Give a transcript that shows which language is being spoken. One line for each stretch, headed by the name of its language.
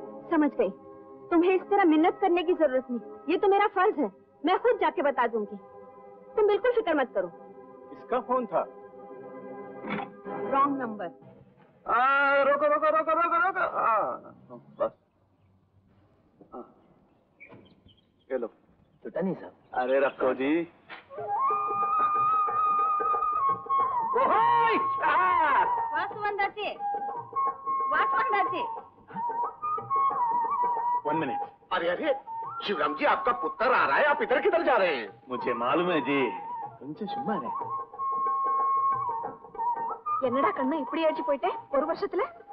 Hindi: समझ गई, तुम्हें इस तरह मिन्नत करने की जरूरत नहीं, ये तो मेरा फर्ज है, मैं खुद जाके बता दूंगी, तुम बिल्कुल फिक्र मत करो। इसका फोन था? Wrong number. रोको रोको रोको रोको रोको, बस लो। टनी साहब। अरे रखो जी। वासुंदर जी, वासुंदर जी। One minute. अरे अरे शिवराम जी, आपका पुत्र आ रहा है, आप इधर किधर जा रहे हैं? मुझे मालूम है जी, तुमसे सुमार है।
Tamil: என்னடா கண்ணு இப்படி ஏறி போயிட்டே ஒரு வருஷத்துல?